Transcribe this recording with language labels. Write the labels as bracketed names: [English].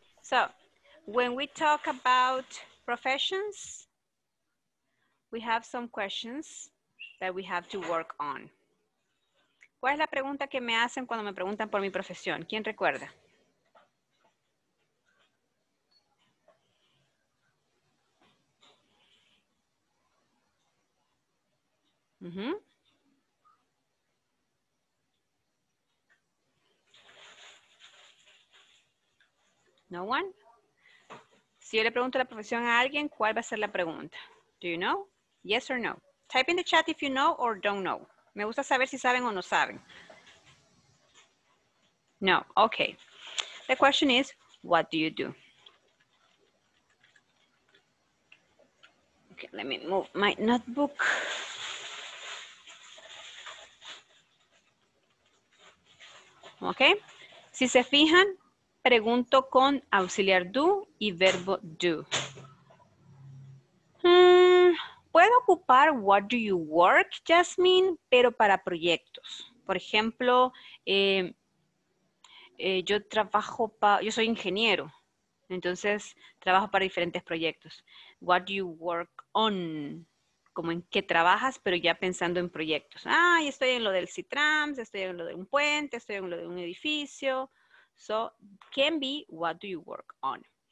[English] So, when we talk about professions, we have some questions that we have to work on. [Spanish] ¿Cuál es la pregunta que me hacen cuando me preguntan por mi profesión? ¿Quién recuerda? [English] No one? [Spanish] Si yo le pregunto la profesión a alguien, ¿cuál va a ser la pregunta? [English] Do you know? Yes or no? Type in the chat if you know or don't know. [Spanish] Me gusta saber si saben o no saben. [English] No, okay. The question is, what do you do? Okay, let me move my notebook. [Spanish] Okay. Si se fijan, pregunto con auxiliar do y verbo do. Puedo ocupar [English] what do you work, [Spanish] Jasmine, pero para proyectos. Por ejemplo, yo soy ingeniero, entonces trabajo para diferentes proyectos. [English] What do you work on? [Spanish] Como en qué trabajas, pero ya pensando en proyectos. Ah, estoy en lo del CITRAMS, estoy en lo de un puente, estoy en lo de un edificio. [English] So, can be what do you work on?